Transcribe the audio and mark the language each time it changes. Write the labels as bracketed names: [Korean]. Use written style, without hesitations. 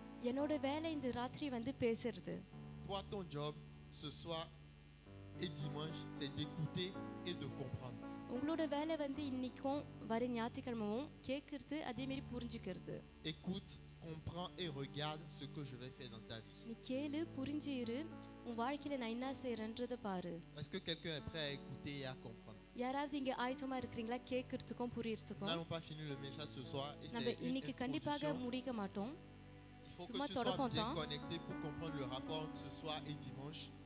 [Tamil] என்னோட வேலை இந்த ராத்திரி வந்து பேசுறது. [French] Toi, ton job ce soir et dimanche, c'est d'écouter et de comprendre. [Tamil] உங்களோட வேலை வந்து இன்னிக்கும் வர ஞாயிற்றுக்கிழமையும் கேட்கறது அதே மாதிரி புரிஞ்சுக்கிறது. [French] Écoute. Comprends et regarde ce que je vais faire dans ta vie. Est-ce que quelqu'un est prêt à écouter et à comprendre? Nous n'avons pas fini le message ce soir. Et c'est une introduction. Il faut que tu sois bien connecté pour comprendre le rapport entre ce soir et dimanche.